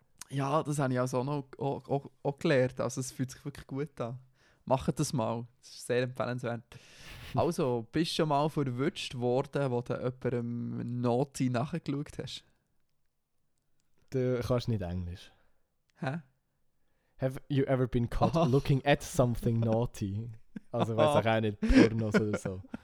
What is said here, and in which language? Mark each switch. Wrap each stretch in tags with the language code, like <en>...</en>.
<de>Ja, das habe ich also auch gelernt, also es fühlt sich wirklich gut an. Macht das mal, das ist sehr empfehlenswert. Also, bist du schon mal verwünscht worden, wo du jemandem Noti nachgeschaut hast? Du kannst nicht Englisch. Hä?</de> <en>Have you ever been caught looking at something naughty?</en> <de>Also ich weiß auch nicht, Pornos oder so.</de>